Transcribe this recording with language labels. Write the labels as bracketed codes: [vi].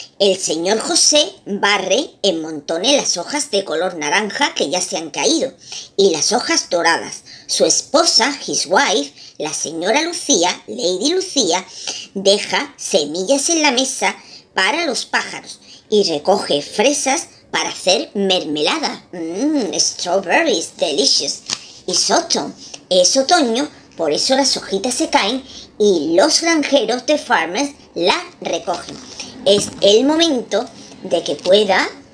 [es] El señor José barre en montones las hojas de color naranja que ya se han caído. Y las hojas doradas. Su esposa, [en] his wife, [es] la señora Lucía, Lady Lucía, deja semillas en la mesa para los pájaros y recoge fresas para hacer mermelada. [en] Strawberries, delicious. It's autumn. [es] Es otoño, por eso las hojitas se caen y los granjeros de farmers la recogen. Es el momento de que pueda...